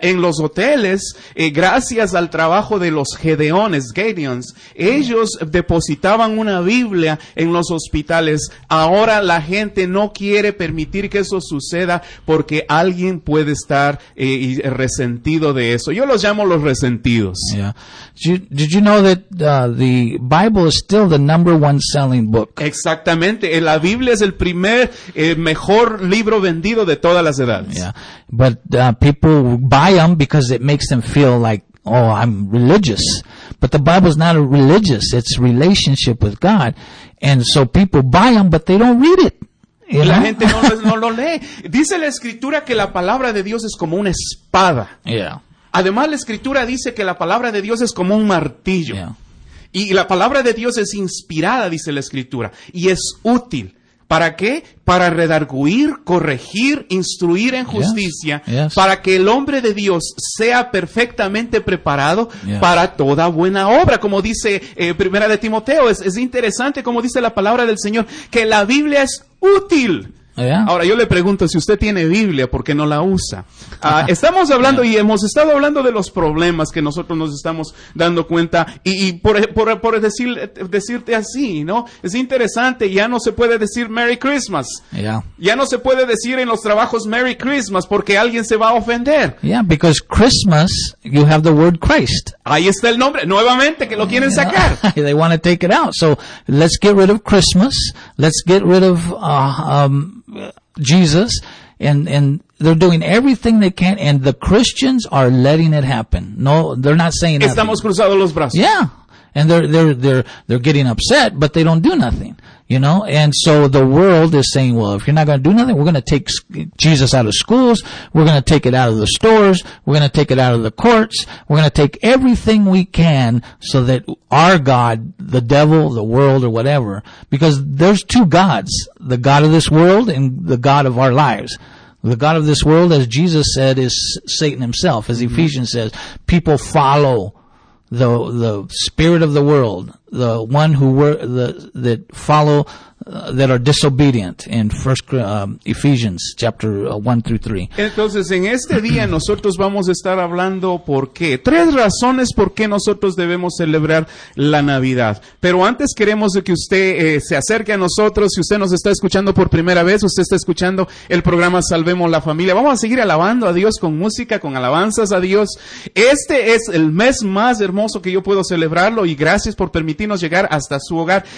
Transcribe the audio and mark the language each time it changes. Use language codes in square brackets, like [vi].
[es] En los hoteles, gracias al trabajo de los Gedeons, ellos depositaban una Biblia en los hospitales. Ahora la gente no quiere permitir que eso suceda porque alguien puede estar resentido de eso. Yo los llamo los resentidos. [en] Yeah. Did you know that the Bible is still the number one selling book? [es] Exactamente. La Biblia es el primer mejor libro vendido de todas las edades. [en] Yeah. But people buy them because it makes them feel like, oh, I'm religious. But the Bible is not a religious. It's relationship with God. And so people buy them, but they don't read it. [es] ¿Verdad? La gente no lo lee. Dice la Escritura que la palabra de Dios es como una espada. [en] Yeah. [es] Además, la Escritura dice que la palabra de Dios es como un martillo. [en] Yeah. [es] Y la palabra de Dios es inspirada, dice la Escritura. Y es útil. ¿Para qué? Para redarguir, corregir, instruir en justicia. [en] Yes. Yes. [es] Para que el hombre de Dios sea perfectamente preparado. [en] Yes. [es] Para toda buena obra. Como dice Primera de Timoteo, es interesante como dice la palabra del Señor, que la Biblia es útil. [en] Yeah. [es] Ahora yo le pregunto, si usted tiene Biblia, ¿por qué no la usa? Estamos hablando, [en] yeah, [es] y hemos estado hablando de los problemas que nosotros nos estamos dando cuenta, y por decirte así, ¿no? Es interesante, ya no se puede decir [en] Merry Christmas. Yeah. [es] Ya no se puede decir en los trabajos [en] Merry Christmas [es] porque alguien se va a ofender. [en] Yeah, because Christmas, you have the word Christ. [es] Ahí está el nombre, nuevamente, que lo quieren sacar. [en] They want to take it out. So, let's get rid of Christmas. Let's get rid of Jesus, and they're doing everything they can, and the Christians are letting it happen. No, they're not saying that. [es] Estamos cruzados los brazos. [en] Yeah, and they're getting upset, but they don't do nothing, you know. And so the world is saying, well, if you're not going to do nothing, we're going to take Jesus out of schools, we're going to take it out of the stores, we're going to take it out of the courts, we're going to take everything we can so that our God, the devil, the world, or whatever, because there's two gods, the God of this world and the God of our lives. The God of this world, as Jesus said, is Satan himself. As Ephesians says, people follow the spirit of the world, the one who were that follow that are disobedient in First Ephesians chapter 1-3. [es] Entonces, en este día nosotros vamos a estar hablando por qué. Tres razones por qué nosotros debemos celebrar la Navidad. Pero antes queremos que usted se acerque a nosotros. Si usted nos está escuchando por primera vez, usted está escuchando el programa Salvemos la Familia. Vamos a seguir alabando a Dios con música, con alabanzas a Dios. Este es el mes más hermoso que yo puedo celebrarlo, y gracias por permitirnos llegar hasta su hogar.